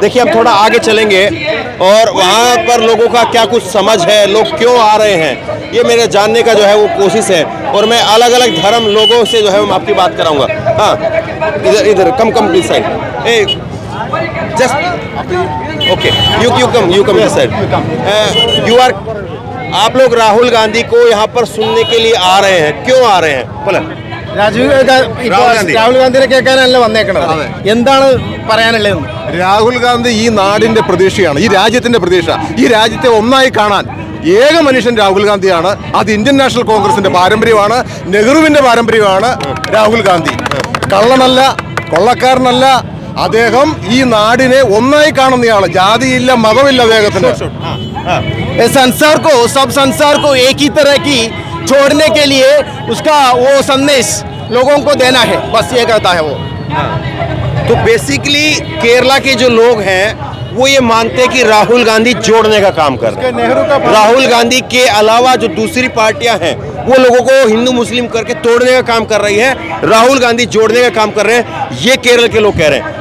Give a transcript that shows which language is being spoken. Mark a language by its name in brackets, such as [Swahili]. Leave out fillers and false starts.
[Hindi] देखिए, हम थोड़ा आगे चलेंगे और वहाँ पर लोगों का क्या कुछ समझ है, लोग क्यों आ रहे हैं, ये मेरे जानने का जो है वो कोशिश है, और मैं अलग अलग धर्म लोगों से जो है मैं आपकी बात कराऊंगा। हाँ, इधर [English] come please side, ए just okay, you come yes side, you are, [Hindi] आप लोग राहुल गांधी को यहाँ पर सुनने के लिए आ रहे हैं, क्यों आ रहे हैं? बोले [Malayalam] രാഹുൽ ഗാന്ധി ഈ നാടിന്റെ പ്രതീക്ഷയാണ്, ഈ രാജ്യത്തിന്റെ പ്രതീക്ഷ, ഈ രാജ്യത്തെ ഒന്നായി കാണാൻ ഏക മനുഷ്യൻ രാഹുൽ ഗാന്ധിയാണ്. അത് ഇന്ത്യൻ നാഷണൽ കോൺഗ്രസിന്റെ പാരമ്പര്യമാണ്, നെഹ്റുവിന്റെ പാരമ്പര്യമാണ്. രാഹുൽ ഗാന്ധി കള്ളനല്ല, കൊള്ളക്കാരനല്ല, അദ്ദേഹം ഈ നാടിനെ ഒന്നായി കാണുന്നയാണ്. ജാതിയില്ല, മതമില്ല അദ്ദേഹത്തിന്. [Hindi] സംസാർക്കോ സബ് സംസാർക്കോ ഏകീ തരക്കി छोड़ने के लिए उसका वो संदेश लोगों को देना है, बस ये कहता है वो। तो बेसिकली केरला के जो लोग हैं वो ये मानते हैं कि राहुल गांधी जोड़ने का काम कर रहे हैं, राहुल गांधी के अलावा जो दूसरी पार्टियां हैं वो लोगों को हिंदू मुस्लिम करके तोड़ने का काम कर रही है, राहुल गांधी जोड़ने का काम कर रहे हैं, ये केरल के लोग कह रहे हैं।